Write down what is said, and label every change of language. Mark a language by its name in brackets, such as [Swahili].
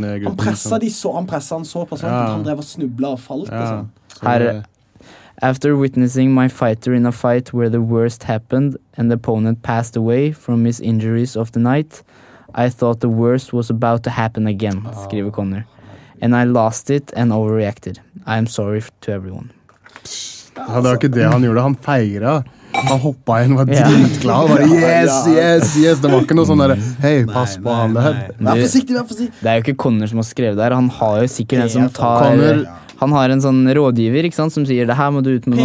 [Norwegian] han, gruppen. Han presset de så, han presset han så på sånn, ja. Han drev og snublet og falt. Ja. [English] Her, after witnessing my fighter in a fight where the worst happened, and the opponent passed away from his injuries of the night, I thought the worst was about to happen again, [Norwegian] skriver Connor. [English] And I lost it and overreacted. I am sorry to everyone. [Norwegian] Ja, det var ikke det han gjorde, han feiret. Han hoppet igjen og var dritglad. Han bare, yes, yes, yes. Det var ikke noe sånn der, hei, pass på han der. Vær forsiktig. Det er jo ikke Connor som har skrevet der, han har jo sikkert en som tar... Connor. Han har en sånn rådgiver, ikke sant, som sier, det her må du ut med nå.